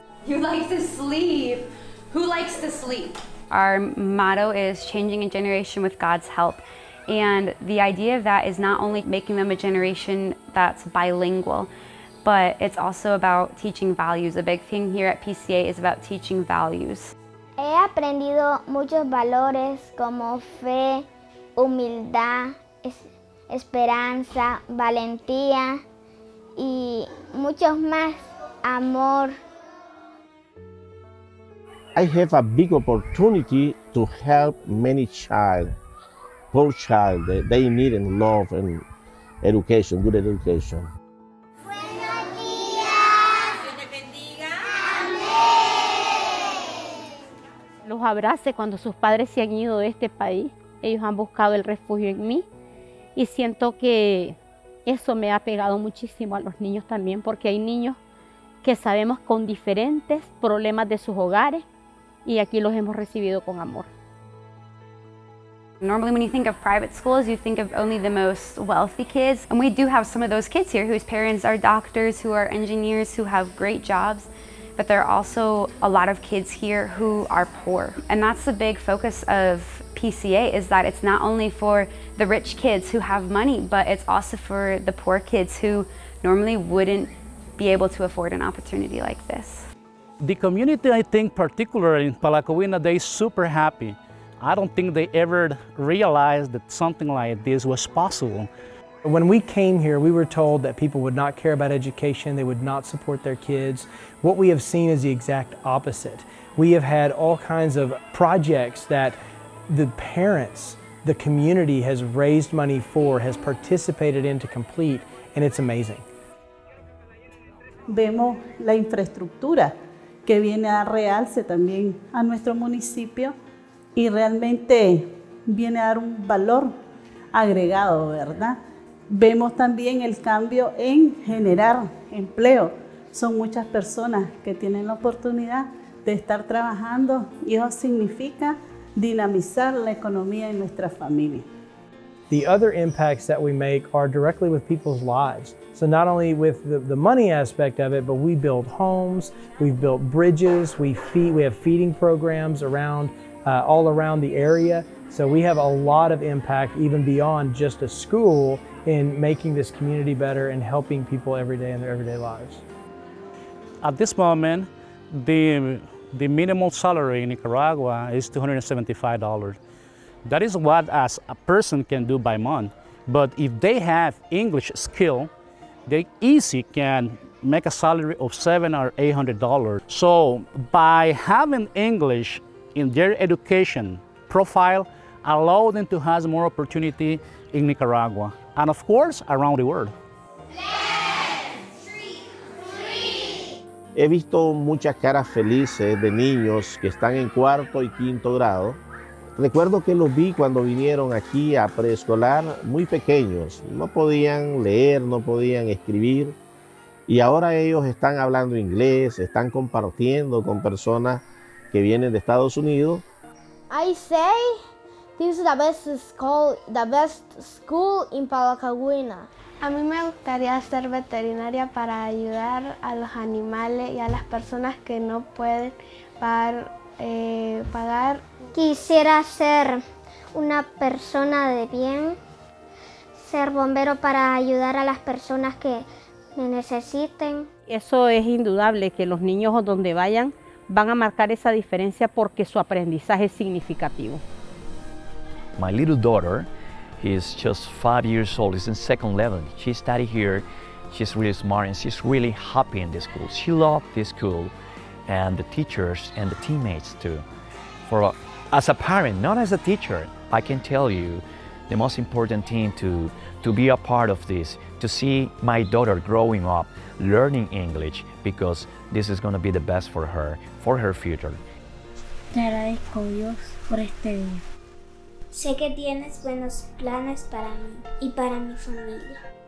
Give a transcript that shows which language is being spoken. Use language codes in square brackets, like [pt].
[en] You like to sleep. Who likes to sleep? Our motto is changing a generation with God's help. And the idea of that is not only making them a generation that's bilingual, but it's also about teaching values. A big thing here at PCA is about teaching values. [es] He aprendido muchos valores como fe, humildad, esperanza, valentía, y muchos más, amor. [en] I have a big opportunity to help many child, poor child, they need in love and education, good education. [es] Los abrace cuando sus padres se han ido de este país. Ellos han buscado el refugio en mí y siento que eso me ha pegado muchísimo a los niños también, porque hay niños que sabemos con diferentes problemas de sus hogares y aquí los hemos recibido con amor. [en] Normally, when you think of private schools, you think of only the most wealthy kids, and we do have some of those kids here whose parents are doctors, who are engineers, who have great jobs. But there are also a lot of kids here who are poor. And that's the big focus of PCA, is that it's not only for the rich kids who have money, but it's also for the poor kids who normally wouldn't be able to afford an opportunity like this. The community, I think, particularly in Palakawina, they're super happy. I don't think they ever realized that something like this was possible. When we came here, we were told that people would not care about education, they would not support their kids. What we have seen is the exact opposite. We have had all kinds of projects that the parents, the community has raised money for, has participated in to complete, and it's amazing. [es] Vemos la infraestructura que viene a realce también a nuestro municipio y realmente viene a dar un valor agregado, ¿verdad? Vemos también el cambio en generar empleo. Son muchas personas que tienen la oportunidad de estar trabajando y eso significa dinamizar la economía en nuestra familia. [en] The other impacts that we make are directly with people's lives. So not only with the money aspect of it, but we build homes, we've built bridges, we have feeding programs around all around the area. So we have a lot of impact even beyond just a school in making this community better and helping people every day in their everyday lives. At this moment, the minimum salary in Nicaragua is $275. That is what as a person can do by month. But if they have English skill, they easy can make a salary of $700 or $800. So by having English in their education profile, allow them to have more opportunity in Nicaragua, and of course, around the world. [es] He visto muchas caras felices de niños que están en cuarto y quinto grado. Recuerdo que los vi cuando vinieron aquí a preescolar muy pequeños. No podían leer, no podían escribir. Y ahora ellos están hablando inglés, están compartiendo con personas que vienen de Estados Unidos. [en] I say this is the best school in Palakawina. [es] A mí me gustaría ser veterinaria para ayudar a los animales y a las personas que no pueden pagar. Quisiera ser una persona de bien, ser bombero para ayudar a las personas que me necesiten. Eso es indudable, que los niños donde vayan van a marcar esa diferencia porque su aprendizaje es significativo. [en] My little daughter is just 5 years old. She's in second level. She studied here. She's really smart and she's really happy in this school. She loves this school and the teachers and the teammates too. As a parent, not as a teacher, I can tell you the most important thing to be a part of this, to see my daughter growing up, learning English, because this is going to be the best for her future. [es] Te agradezco, Dios, por este día. Sé que tienes buenos planes para mí y para mi familia.